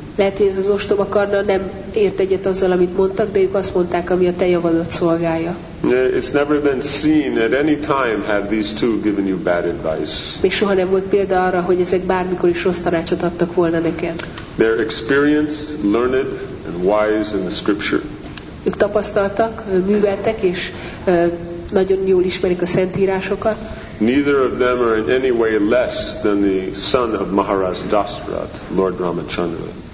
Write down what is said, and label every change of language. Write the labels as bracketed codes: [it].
[hu] Lehet, hogy ez az ostoba Karna nem ért egyet azzal, amit mondtak, de ők azt mondták, ami a te javadat szolgálja. [en] It's never been seen at any time have these two given you bad advice. [hu] Még soha nem volt példa arra, hogy ezek bármikor is rossz tanácsot adtak volna neked. [en] They're experienced, learned and wise in the scripture. [hu] Ők tapasztaltak, műveltek és nagyon jól ismerik a szentírásokat. [en] Neither of them are in any way less than the son of Maharaj Dasarath, Lord Ramachandra.